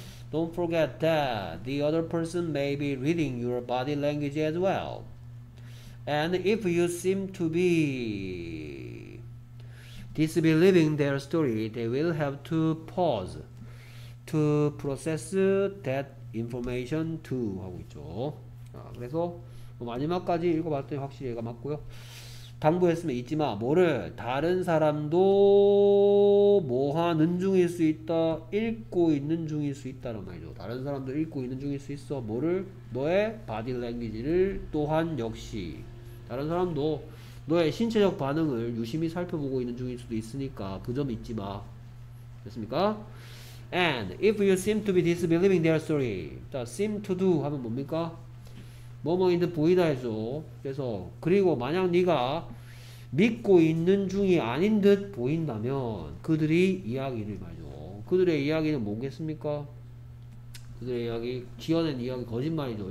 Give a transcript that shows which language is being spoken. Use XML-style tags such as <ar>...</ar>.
<en>Don't forget that the other person may be reading your body language as well. And if you seem to be disbelieving their story, they will have to pause to process that information too.</en> <ko>하고 있죠. 아, 그래서 마지막까지 읽어봤더니 확실히 얘가 맞고요. 당부했으면 잊지 마. 뭐를 다른 사람도 뭐 하는 중일 수 있다. 읽고 있는 중일 수 있다는 말이죠. 다른 사람도 읽고 있는 중일 수 있어. 뭐를 너의 바디 랭귀지를 또한 역시 다른 사람도 너의 신체적 반응을 유심히 살펴보고 있는 중일 수도 있으니까 그 점 잊지 마. 됐습니까?</ko> <en>And if you seem to be disbelieving their story.</en> <ko>자, seem to do 하면 뭡니까? 뭐뭐인데 보이다 해서 그래서 그리고 만약 네가 믿고 있는 중이 아닌 듯 보인다면 그들이 이야기를 말이죠. 그들의 이야기는 뭐겠습니까? 그들의 이야기 지어낸 이야기 거짓말이죠.</ko>